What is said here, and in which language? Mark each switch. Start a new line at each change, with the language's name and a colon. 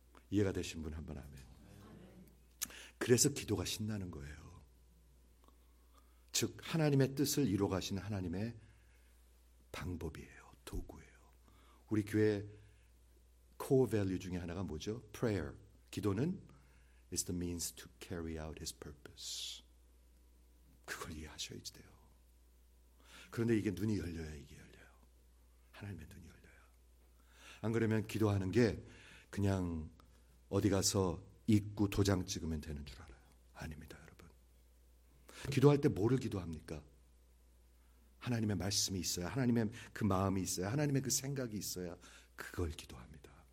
Korean: 이해가 되신 분 한번 하면. 그래서 기도가 신나는 거예요. 즉 하나님의 뜻을 이루어가시는 하나님의 방법이에요. 도구예요. 우리 교회 core value 중에 하나가 뭐죠?
English: Prayer.
Korean: 기도는
English: is the means to carry out his purpose.
Korean: 그걸 이해하셔야지 돼요. 그런데 이게 눈이 열려야 이게 열려요. 하나님의 눈이 열려요. 안 그러면 기도하는 게 그냥 어디 가서 입구 도장 찍으면 되는 줄 알아요. 아닙니다, 여러분. 기도할 때 뭐를 기도합니까? 하나님의 말씀이 있어야, 하나님의 그 마음이 있어야, 하나님의 그 생각이 있어야 그걸 기도합니다.